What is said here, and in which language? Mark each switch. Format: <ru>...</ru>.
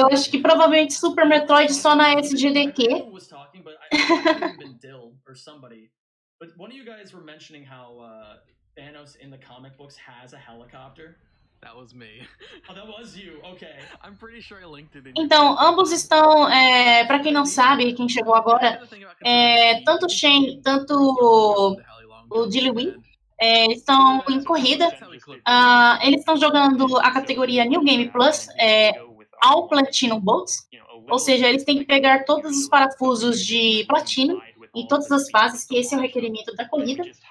<pt>Eu acho que provavelmente Super Metroid só na SGDQ.</pt> <en>But one of you guys were mentioning how Thanos in the comic books has a helicopter. That was me. Oh, that was you. Okay. I'm pretty sure I linked it in.</en> <pt>Então, ambos estão, para quem não sabe, quem chegou agora, tanto Shen, tanto o Dilly-Win, estão em corrida. Eles estão jogando a categoria New Game Plus, ao Platinum Bolts, ou seja, eles têm que pegar todos os parafusos de Platinum em todas as fases, que esse é o requerimento da corrida.</pt>